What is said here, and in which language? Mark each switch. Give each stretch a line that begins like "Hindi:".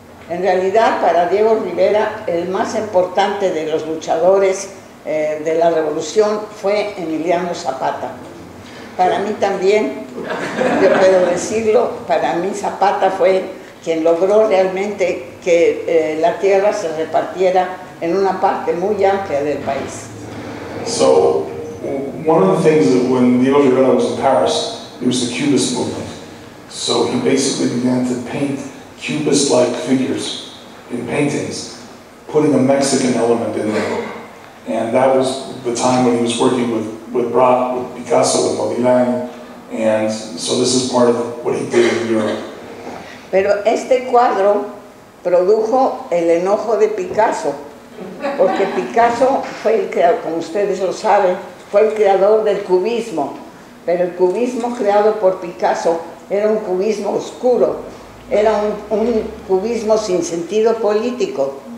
Spanish: En realidad, para Diego Rivera, el más importante de los luchadores de la revolución fue Emiliano Zapata. Para mí también, yo puedo decirlo, para mí Zapata fue quien logró realmente que la tierra se repartiera en una parte muy amplia del país.
English: So one of the things that when Diego Rivera was in Paris, it was the Cubist movement. So he basically began to paint Cubist-like figures in paintings, putting a Mexican element in there. And that was the time when he was working with Braque, with Picasso, with Modigliani. And so this is part of what he did in Europe.
Spanish: Pero este cuadro produjo el enojo de Picasso, porque Picasso fue el creador, como ustedes lo saben, fue el creador del cubismo, pero el cubismo creado por Picasso era un cubismo oscuro, era un cubismo sin sentido político.